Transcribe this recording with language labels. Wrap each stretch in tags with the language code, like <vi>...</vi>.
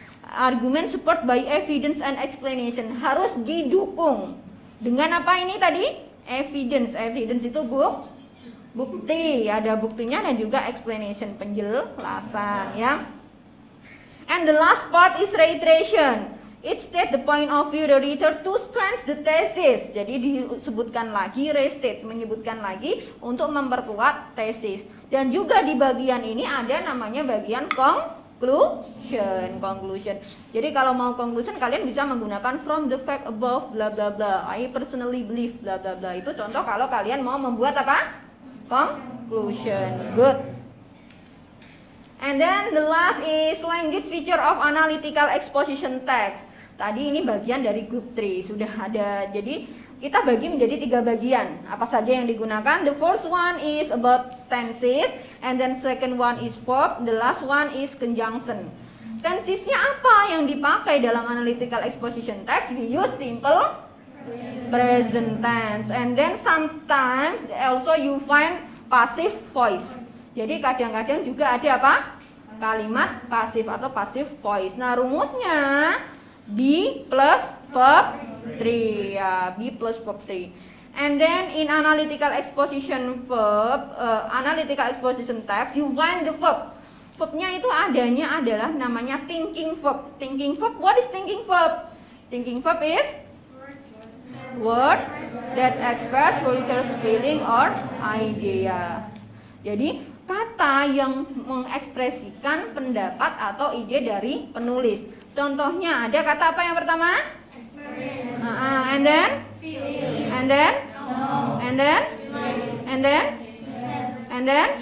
<en>Argument support by evidence and explanation</en> <id>harus didukung dengan apa ini tadi?</id> <en>Evidence.</en> <id>Evidence itu bukti, ada buktinya dan juga explanation, penjelasan ya.</id> <en>And the last part is reiteration. It state the point of view the reader to strengthen the thesis.</en> <id>Jadi disebutkan lagi, restate, menyebutkan lagi untuk memperkuat tesis. Dan juga di bagian ini ada namanya bagian conclusion. Jadi kalau mau conclusion kalian bisa menggunakan</id> <en>from the fact above bla bla bla, I personally believe bla bla bla.</en> <id>Itu contoh kalau kalian mau membuat apa? Conclusion. Good.</id> <en>And then the last is language feature of analytical exposition text.</en> <id>Tadi ini bagian dari group 3 sudah ada. Jadi kita bagi menjadi 3 bagian. Apa saja yang digunakan?</id> <en>The first one is about tenses, and then second one is verb, the last one is conjunction.</en> <id>Tensesnya apa yang dipakai dalam analytical exposition text?</id> <en>We use simple present tense, and then sometimes also you find passive voice.</en> <id>Jadi kadang-kadang juga ada apa? Kalimat pasif atau passive voice. Nah, rumusnya be plus verb 3, ya, be plus verb 3.</id> <en>And then in analytical exposition verb, analytical exposition text, you find the verb.</en> <id>Verbnya itu adanya adalah namanya thinking verb.</id> <en>Thinking verb, what is thinking verb? Thinking verb is word that express reader's feeling or idea.</en> <id>Jadi kata yang mengekspresikan pendapat atau ide dari penulis. Contohnya ada kata apa yang pertama?</id> <en>Experience. And then? Feeling. And then? Know. And then? Nice. And then? Yes. And then?</en>